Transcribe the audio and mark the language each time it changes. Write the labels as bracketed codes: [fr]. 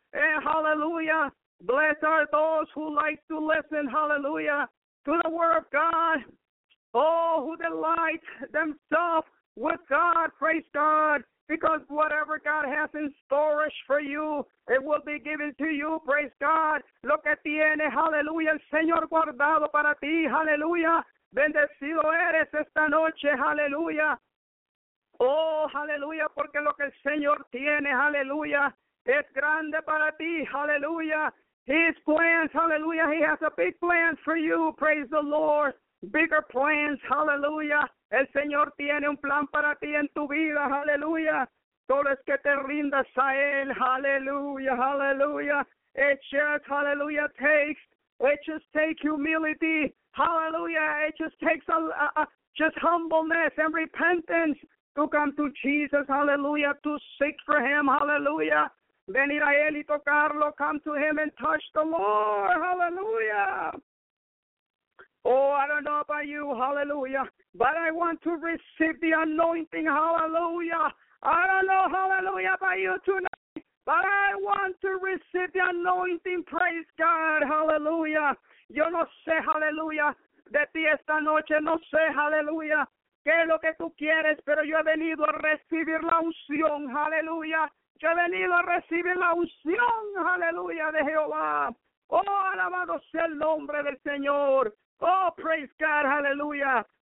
[en] And hallelujah, blessed are those who like to listen, hallelujah, to the word of God. Oh, who delight themselves with God, praise God, because whatever God has in storage for you, it will be given to you, praise God. [es] Lo que tiene, hallelujah, el Señor guardado para ti, hallelujah. Bendecido eres esta noche, hallelujah. Oh, hallelujah, porque lo que el Señor tiene, hallelujah, es grande para ti, hallelujah. [en] His plans, hallelujah, he has a big plan for you, praise the Lord. Bigger plans, hallelujah. [es] El Señor tiene un plan para ti en tu vida, hallelujah. Solo es que te rindas a Él, hallelujah, hallelujah. [en] It just, hallelujah, takes, it just takes humility, hallelujah. It just takes just humbleness and repentance to come to Jesus, hallelujah, to seek for Him, hallelujah. [es] Venir a Él y tocarlo, [en] come to Him and touch the Lord, hallelujah. Oh, I don't know about you, hallelujah, but I want to receive the anointing, hallelujah. I don't know, hallelujah, about you tonight, but But I want to receive the anointing, praise God, hallelujah. [es] Yo no sé, hallelujah, de ti esta noche, no sé, hallelujah, qué es lo que tú quieres, pero yo he venido a recibir la unción, hallelujah. Yo he venido a recibir la unción, hallelujah, de Jehová. Oh, alabado sea el nombre del Señor. Oh, [en] praise God, [es] hallelujah.